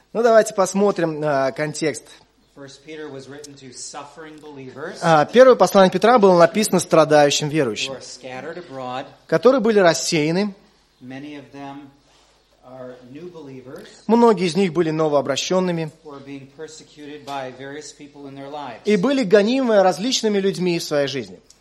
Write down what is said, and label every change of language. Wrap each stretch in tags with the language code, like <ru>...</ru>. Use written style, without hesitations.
<ru>Ну, давайте посмотрим контекст.</ru> <en>First Peter was written to suffering believers,</en> <ru>первое послание Петра было написано страдающим верующим, которые были рассеяны.</ru> <en>Many of them are new believers,</en> <ru>многие из них были новообращенными</ru> <en>or being persecuted by various people in their lives.</en> <ru>И были гонимы различными людьми в своей жизни.</ru>